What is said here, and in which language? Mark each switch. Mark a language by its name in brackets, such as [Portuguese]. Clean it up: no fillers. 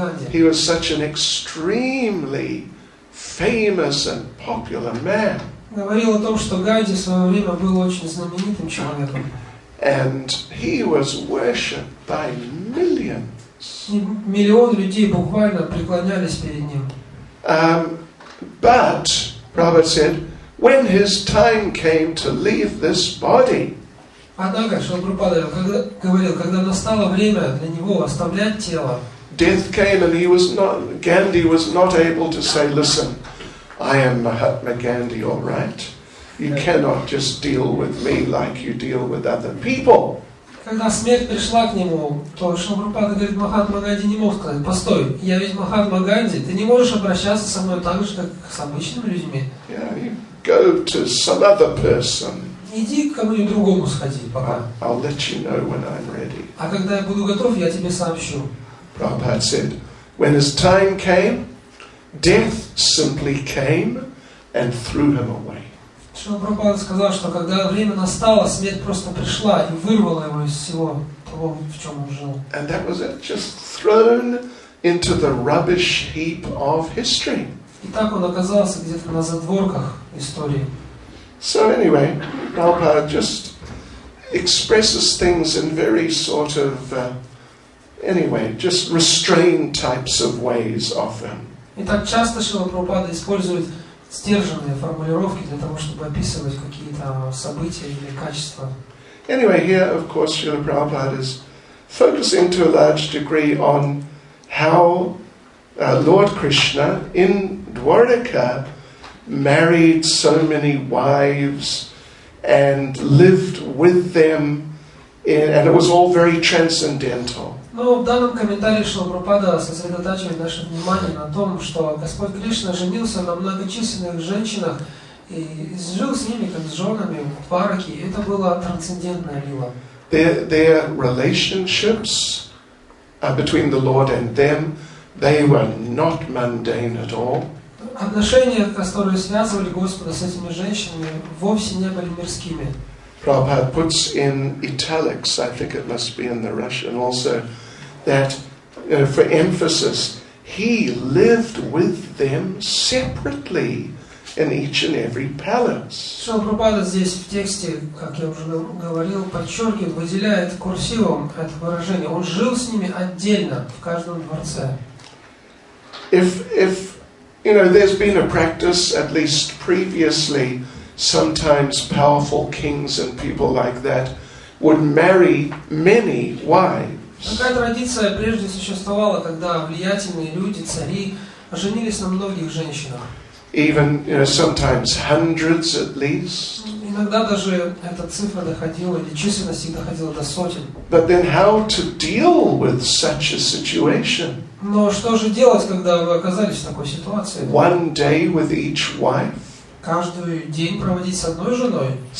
[English] He was such an extremely famous and popular man. [Russian] Говорил о том, что Ганди в свое время был очень знаменитым человеком. [English] And he was worshipped by millions. [Russian] Миллион людей буквально преклонялись перед ним. [English] But Prabhupada said, when his time came to leave this body. [Russian] Однако, Шрила Прабхупада говорил, когда настало время для него оставлять тело. [English] Death came and Gandhi was not able to say, listen, I am Mahatma Gandhi, all right. You cannot just deal with me like you deal with other people. [Russian] Когда смерть пришла к нему, то Шрила Прабхупада говорит, Махатма Ганди не мог сказать, постой, я ведь Махатма Ганди, ты не можешь обращаться со мной так же, как с обычными людьми. [English] Yeah, you go to some other person. [Russian] Иди к кому-нибудь другому сходи, пока. [English] I'll let you know when I'm ready. [Russian] А когда я буду готов, я тебе сообщу. [English] Prabhupada said, when his time came, death simply came and threw him away. [Russian] Шрила Прабхупада сказал, что когда время настало, смерть просто пришла и вырвала его из всего того, в чем он жил. [English] And that was it, just thrown into the rubbish heap of history. [Russian] И так он оказался где-то на задворках истории. [English] So anyway, Prabhupada just expresses things in very sort of, just restrained types of ways often. [Russian] И так часто Шрила Прабхупада использует сдержанные формулировки для того, чтобы описывать какие-то события или качества. [English] Anyway, here, of course, Srila Prabhupada is focusing to a large degree on how Lord Krishna in Dwarka married so many wives and lived with them, and it was all very transcendental. [Russian] Ну, в данном комментарии Шрила Прабхупада сосредотачивает наше внимание на том, что Господь Кришна женился на многочисленных женщинах и жил с ними как с женами в Двараке. Это была трансцендентная лила. [English] Their relationships between the Lord and them, they were not mundane at all. [Russian] Отношения, которые связывали Господа с этими женщинами, вовсе не были мирскими. [English] Prabhupada puts in italics, I think it must be in the Russian also, that for emphasis, he lived with them separately in each and every palace. [Russian] Шрила Прабхупада здесь в тексте, как я уже говорил, подчеркивает, выделяет курсивом это выражение. Он жил с ними отдельно в каждом дворце. [English] If you know, there's been a practice, at least previously, sometimes powerful kings and people like that would marry many wives. [Russian] Такая традиция прежде существовала, когда влиятельные люди, цари, женились на многих женщинах. [English] Even, you know, sometimes hundreds at least. [Russian] Иногда даже эта цифра доходила, или численность их доходила до сотен. [English] But then how to deal with such a situation? [Russian] Но что же делать, когда вы оказались в такой ситуации? [English] One day with each wife. [Russian] Каждый день проводить с одной женой.